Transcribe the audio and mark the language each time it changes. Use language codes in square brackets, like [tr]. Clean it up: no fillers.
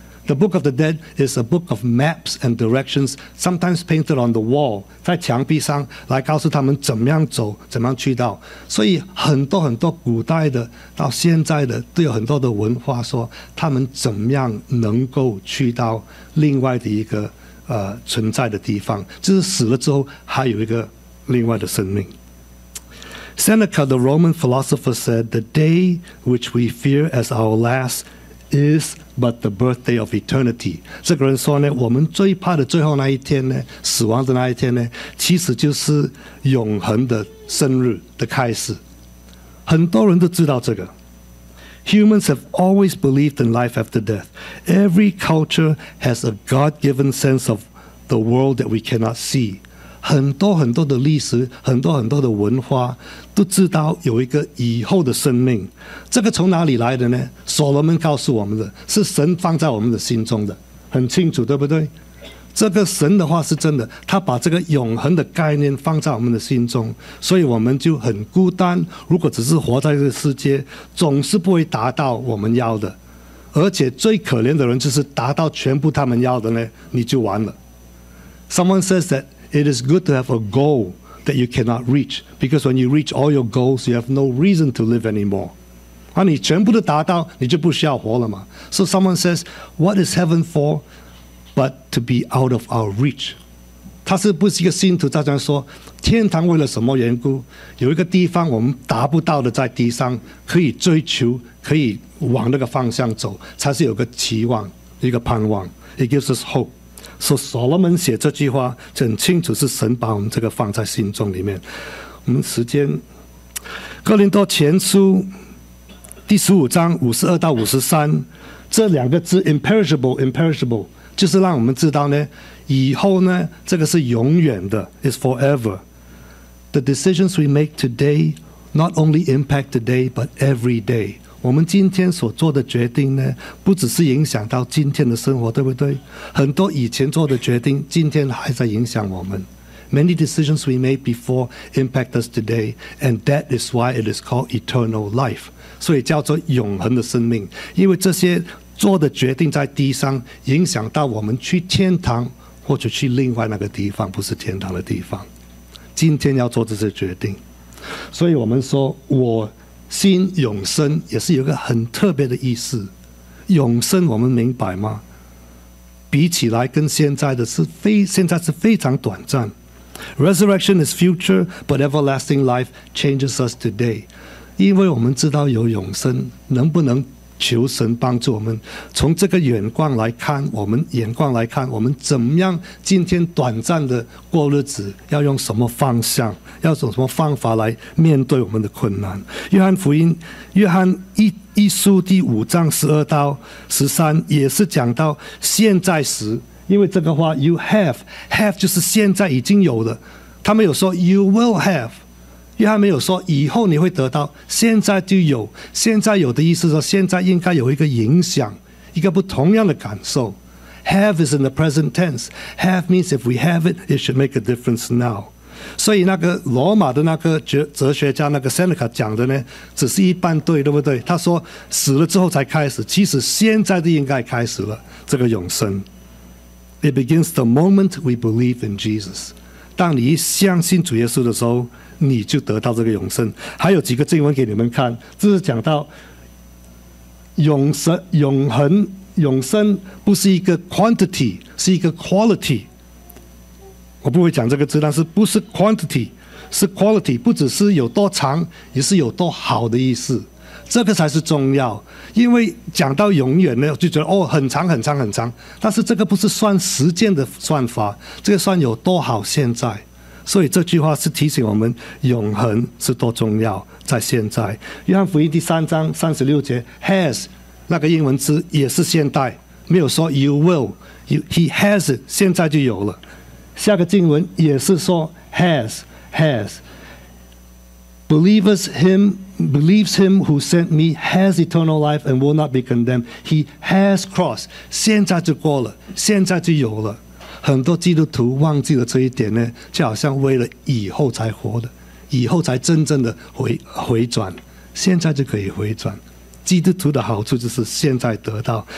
[en] The Book of the Dead is a book of maps and directions, sometimes painted on the wall, [zh] 在墙壁上来告诉他们怎么样走，怎么样去到。所以很多很多古代的到现在的都有很多的文化说他们怎么样能够去到另外的一个存在的地方，就是死了之后还有一个另外的生命。 [en] Seneca, the Roman philosopher, said, "The day which we fear as our last is but the birthday of eternity." [zh] 这个人说呢，我们最怕的最后那一天呢，死亡的那一天呢，其实就是永恒的生日的开始。很多人都知道这个。 [en] Humans have always believed in life after death. Every culture has a God-given sense of the world that we cannot see. [zh] 很多很多的历史，很多很多的文化都知道有一个以后的生命。这个从哪里来的呢？所罗门告诉我们的，是神放在我们的心中的，很清楚，对不对？这个神的话是真的，他把这个永恒的概念放在我们的心中，所以我们就很孤单。如果只是活在这个世界，总是不会达到我们要的。而且最可怜的人就是达到全部他们要的呢，你就完了。 [en] Someone says that it is good to have a goalThat you cannot reach, because when you reach all your goals, you have no reason to live anymore. [zh] 啊，你全部都达到，你就不需要活了嘛。 [en] So someone says, "What is heaven for, but to be out of our reach?" [zh] 他是不是一个信徒在这样说？天堂为了什么缘故？有一个地方我们达不到的，在地上可以追求，可以往那个方向走，才是有个期望，一个盼望。 [en] It gives us hope. [zh] 所以所罗门写这句话就很清楚，是神把我们这个放在心中里面。我们时间，哥林多前书第十五章五十二到五十三这两个字 imperishable 就是让我们知道呢，以后呢，这个是永远的 [en] is forever。 The decisions we make today not only impact today but every day。 [zh] 我们今天所做的决定呢，不只是影响到今天的生活，对不对？很多以前做的决定今天还在影响我们。 [en] Many decisions we made before impact us today, and that is why it is called eternal life. [zh] 所以叫做永恒的生命，因为这些做的决定在地上影响到我们去天堂或者去另外那个地方，不是天堂的地方。今天要做这些决定，所以我们说我心永生也是有一个很特别的意思。永生我们明白吗？比起来跟现在的是非，现在是非常短暂。 [en] Resurrection is future, but everlasting life changes us today. [zh] 因为我们知道有永生，能不能求神帮助我们？从这个眼光来看，我们眼光来看，我们怎么样今天短暂的过日子，要用什么方向，要用什么方法来面对我们的困难？约翰福音，约翰一书第五章十二到十三也是讲到现在时。因为这个话 [en] you have [zh] 就是现在已经有了，他没有说 [en] you will have， [zh] 约翰没有说以后你会得到，现在就有。现在有的意思是说现在应该有一个影响，一个不同样的感受。 [en] have is in the present tense， have means if we have it it should make a difference now。 [zh] 所以那个罗马的那个哲学家那个 Seneca 讲的呢，只是一半对，对不对？他说死了之后才开始，其实现在就应该开始了这个永生。 [en] It begins the moment we believe in Jesus. [zh] 当你一相信主耶稣的时候，你就得到这个永生。还有几个经文给你们看，这是讲到永生、永恒、永生不是一个 quantity， 是一个 quality。我不会讲这个字，但是不是 quantity， 是 quality， 不只是有多长，也是有多好的意思。这个才是重要，因为讲到永远呢，就觉得哦，很长很长很长。但是这个不是算时间的算法，这个算有多好现在。所以这句话是提醒我们，永恒是多重要，在现在。约翰福音第三章三十六节 ，has 那个英文字也是现代，没有说 [en] you will， he has it， [zh] 现在就有了。下个经文也是说 has。 [en] Believes him who sent me has eternal life and will not be condemned. He has crossed. [zh] 现在就过了，现在就有了。很多基督徒忘记了这一点呢，就好像为了以后才活的，以后才真正的回转，现在就可以回转。基督徒的好处就是现在得到。